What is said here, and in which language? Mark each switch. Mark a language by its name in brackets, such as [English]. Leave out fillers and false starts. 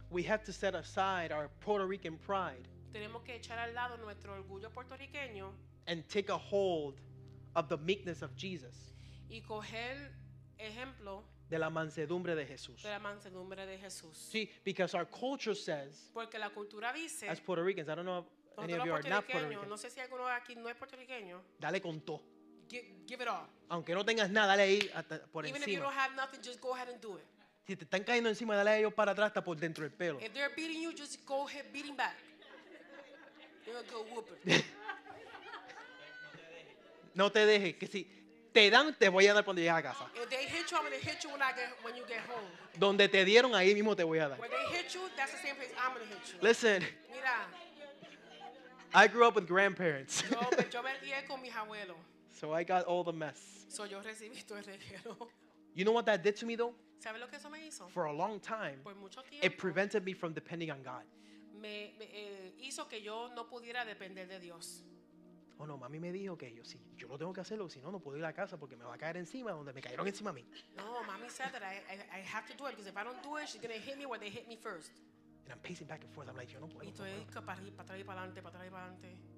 [English] we have to set aside our Puerto Rican pride. [Spanish] Tenemos que echar al lado nuestro orgullo puertorriqueño. [English] And take a hold of the meekness of Jesus. [Spanish] Y coger ejemplo de la mansedumbre de Jesús. De la mansedumbre de Jesús. [English] See, because our culture says, [Spanish] porque la cultura dice, [English] as Puerto Ricans, I don't know if any of you are not Puerto Rican. [Spanish] No sé si alguno de aquí no es puertorriqueño. Dale con todo. [English] Give it all. [Spanish] Aunque no tengas nada, dale ahí hasta por [English] Even [Spanish] encima. [English] If you don't have nothing, just go ahead and do it. [Spanish] Si te están cayendo encima, dale a ellos para atrás hasta por dentro del pelo. [English] If they're beating you, just go ahead beating back. You're gonna go whooping. [Spanish] No te dejes, que si te dan, te voy a dar cuando llegues a casa. [English] If they hit you, I'm gonna hit you when you get home. [Spanish] Donde te dieron, ahí mismo te voy a dar. [English] When they hit you, that's the same place I'm gonna hit you. Listen. [Spanish] Mira. [English] I grew up with grandparents. [Spanish] Yo me crié con mis abuelos. [English] So I got all the mess. [Spanish] So yo recibí todo el reguero. [English] You know what that did to me though? [Spanish] ¿Sabe lo que eso me hizo? [English] For a long time, [Spanish] por mucho tiempo, [English] it prevented me from depending on God. [Spanish] Hizo que yo no pudiera depender de Dios. Oh no, mami me dijo que yo sí. Yo lo tengo que hacerlo, si no, no puedo ir a casa porque me va a caer encima donde me cayeron encima a mí. [English] No, mami said that I have to do it because if I don't do it, she's going to hit me where they hit me first. And I'm pacing back and forth. I'm like, [Spanish] yo no puedo. Y estoy para atrás y para adelante, para atrás y para adelante.